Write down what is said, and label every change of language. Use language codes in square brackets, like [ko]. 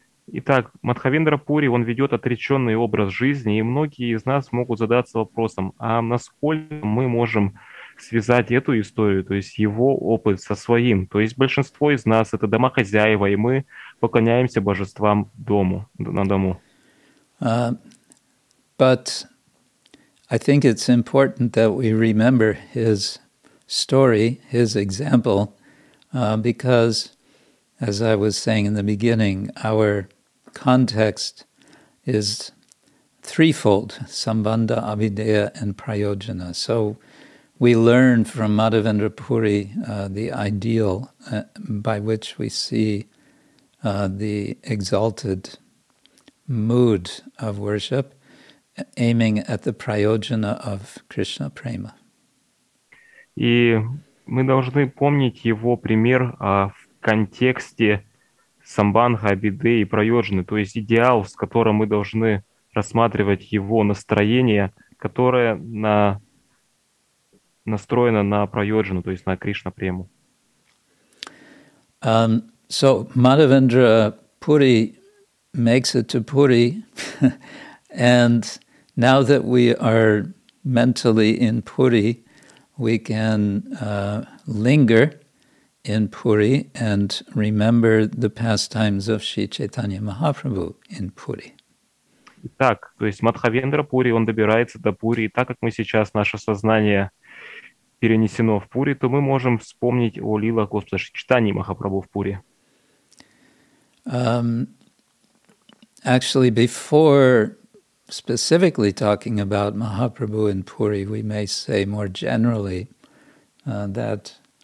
[ru] Итак, Мадхавендра Пури, он ведет отреченный образ жизни, и многие из нас могут задаться вопросом, а насколько мы можем связать эту историю, то есть его опыт со своим. То есть большинство из нас — это домохозяева, и мы поклоняемся божествам дому, на дому. [en] But I think it's important that we remember his story, his example, because, as I was saying in the beginning, our context is threefold: sambandha, abhideya, and prayojana. So we learn from Madhavendra Puri the ideal by which we see the exalted mood of worship, aiming at the prayojana of Krishna prema. [ru] И мы должны помнить его пример в контексте самбанха, абиды и прайоджаны, то есть идеал, с которым мы должны рассматривать его настроение, которое настроено на прайоджану, то есть на Кришна прему. [en] So Madhavendra Puri makes it to Puri, and now that we are mentally in Puri, we can linger in Puri and remember the pastimes of Sri Chaitanya Mahaprabhu in Puri. [ru] Итак, то есть Мадхавендра Пури, он добирается до Пури, и так как мы сейчас, наше сознание перенесено в Пури, то мы можем вспомнить о лилах Господа Шри Чайтаньи Махапрабху в Пури. [en] Actually, before specifically talking about Mahaprabhu in Puri, we may say more generally that